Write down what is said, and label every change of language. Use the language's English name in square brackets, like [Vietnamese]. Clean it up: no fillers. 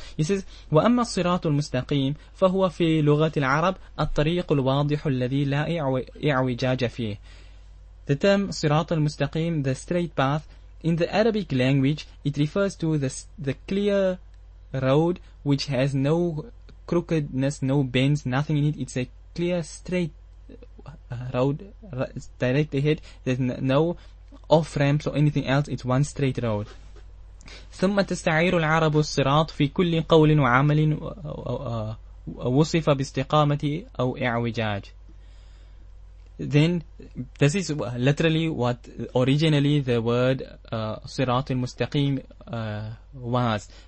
[English] He says, [Arabic] وَأَمَّا الصِّرَاطُ الْمُسْتَقِيمُ فَهُوَ فِي لُغَةِ الْعَرَبِ الطَّرِيقُ الْوَاضِحُ الَّذِي لَا إِعْوِجَاجَ فِيهِ. [English] The term [Arabic] صِرَاطُ الْمُسْتَقِيمُ, [English] the straight path, in the Arabic language, it refers to the clear road which has no crookedness, no bends, nothing in it. It's a clear straight road direct ahead. There's no off ramps or anything else. It's one straight road. [Arabic] ثم تستعير العرب الصراط في كل قول وعمل وصف باستقامة أو إعوجاج. [English] Then this is literally what originally the word [Arabic] صراط المستقيم [English] was.